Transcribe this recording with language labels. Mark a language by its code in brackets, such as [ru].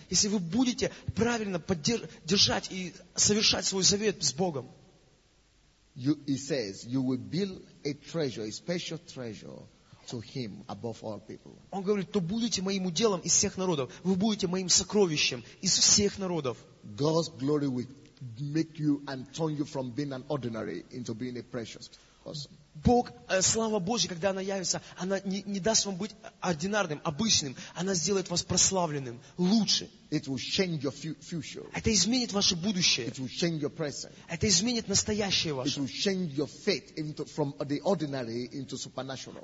[ru] если вы будете правильно держать и совершать свой завет с Богом, [en] He says, you will build a treasure, a special treasure to him above all people. [ru] Он говорит, то будете моим уделом из всех народов. Вы будете моим сокровищем из всех народов. [en] God's glory will make you and turn you from being an ordinary into being a precious person. [ru] Бог, слава Божья, когда она явится, она не даст вам быть ординарным, обычным. Она сделает вас прославленным, лучше. [en] It will change your future. [ru] Это изменит ваше будущее. [en] It will change your present. [ru] Это изменит настоящее ваше. [en] It will change your faith into, from the ordinary into supernatural.